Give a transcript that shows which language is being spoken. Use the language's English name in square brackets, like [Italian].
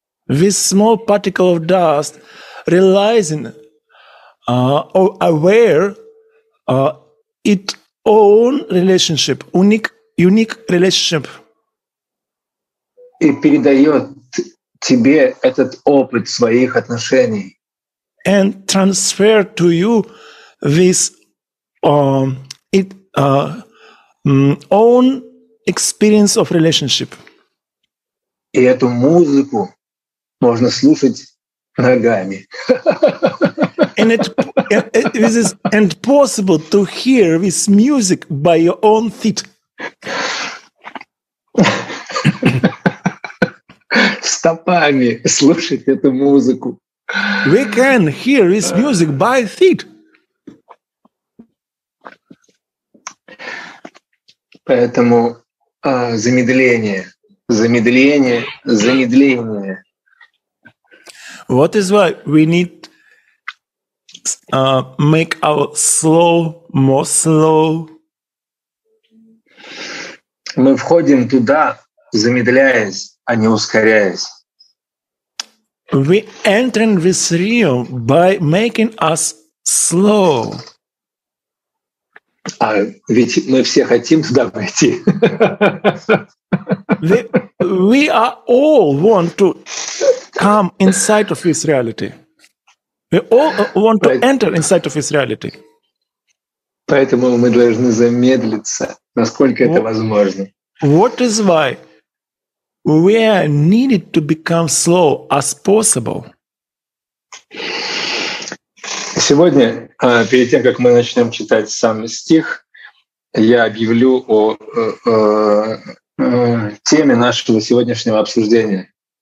[English] This small particle of dust realizing or aware its own relationship, unique relationship. [Russian] И передает тебе этот опыт своих отношений. [English] And transfer to you this own experience of relationship. [Russian] И эту музыку можно слушать ногами. [English] And this is impossible to hear this music by your own feet. [Russian] Стопами слушать эту музыку. [English] We can hear this music by feet. [Russian] Поэтому замедление. [English] What is why we need make our slow more slow. [Russian] Мы входим туда, замедляясь, а не ускоряясь. [English] We enter in this realm by making us slow. [Russian] А ведь мы все хотим туда войти. [English] We are all want to come inside of this reality. We all want to enter inside of this reality. [Russian] Поэтому мы должны замедлиться, насколько это возможно. [English] What is why we are needed to become slow as possible. [Russian] Сегодня, перед тем, как мы начнем читать сам стих, я объявлю о теме нашего сегодняшнего обсуждения.